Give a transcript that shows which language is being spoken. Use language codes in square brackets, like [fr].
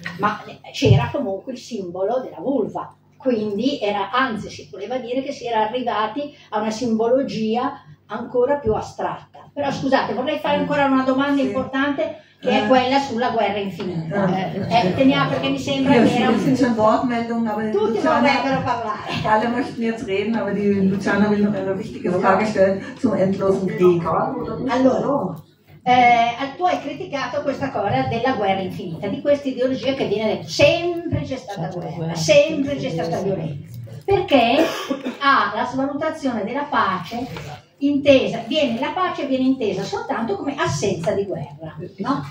[it] Ma c'era comunque il simbolo della vulva, quindi era, anzi si voleva dire che si era arrivati a una simbologia ancora più astratta. Però scusate, vorrei fare ancora una domanda importante, che è quella sulla guerra infinita. Teniamo, perché mi sembra che era un [de] po' Wortmeldung, aber [it] tutti Luciana, vorrebbero parlare. [de] Alle möchten jetzt reden, aber die Luciana will noch eine wichtige Frage stellen zum endlosen Krieg. [it] Allora, tu hai criticato questa cosa della guerra infinita, di questa ideologia che viene detto sempre c'è stata guerra, sempre c'è stata violenza. Perché ha la svalutazione della pace intesa, viene, la pace viene intesa soltanto come assenza di guerra, no?